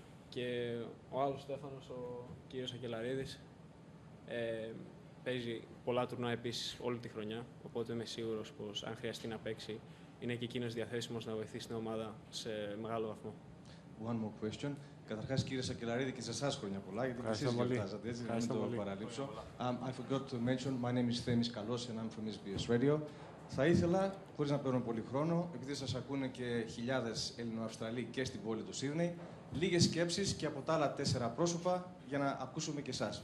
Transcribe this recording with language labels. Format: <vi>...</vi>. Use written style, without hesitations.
<el>Και ο άλλος Στέφανος, ο κύριος Αγγελαρίδης, παίζει πολλά τουρνά επίσης όλη τη χρονιά. Οπότε είμαι σίγουρος πως αν χρειαστεί να παίξει, είναι και εκείνος διαθέσιμος να βοηθήσει την ομάδα σε μεγάλο βαθμό.</el> <en>One more question.</en> <el>Καταρχάς, κύριε Σακελαρίδη, και σε εσάς χρόνια πολλά, γιατί εσείς γιορτάζατε, έτσι, να μην το παραλείψω.</el> <en>I forgot to mention, my name is Θέμης Καλός and I'm from SBS Radio.</en> <el>Θα ήθελα, χωρίς να παίρνουν πολύ χρόνο, επειδή σας ακούνε και χιλιάδες Ελληνοαυστραλοί και στην πόλη του Σίδνεϊ, λίγες σκέψεις και από τα άλλα τέσσερα πρόσωπα για να ακούσουμε και εσάς.</el>